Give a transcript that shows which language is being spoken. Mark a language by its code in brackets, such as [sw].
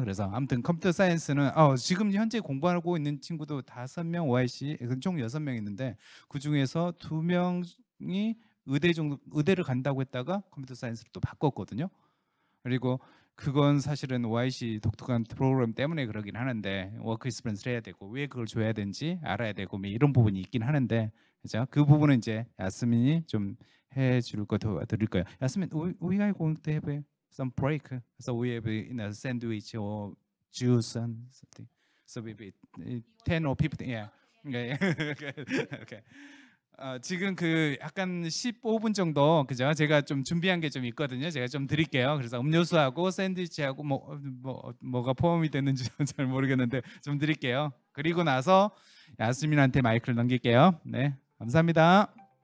[ko] 그래서 아무튼 컴퓨터 사이언스는 지금 현재 공부하고 있는 친구도 5명 YC, 총 6명 있는데 그 중에서 2명이 의대를 간다고 했다가 컴퓨터 사이언스를 또 바꿨거든요. 그리고 그건 사실은 YC 독특한 프로그램 때문에 그러긴 하는데 워크 익스피리언스를 해야 되고 왜 그걸 줘야 되는지 알아야 되고 뭐 이런 부분이 있긴 하는데 그렇죠? 그 부분은 이제 야스민이 좀 해줄 것도 드릴 거예요. [en] 야스민, we are going to have some break. So we have in a sandwich or juice and something. So maybe 10 or 15. Yeah. Okay. Okay. [ko] 지금 그 약간 15분 정도 그죠? 제가 좀 준비한 게 좀 있거든요. 제가 좀 드릴게요. 그래서 음료수하고 샌드위치하고 뭐가 포함이 됐는지 잘 모르겠는데 좀 드릴게요. 그리고 나서 야스민한테 마이크를 넘길게요. 네. 감사합니다.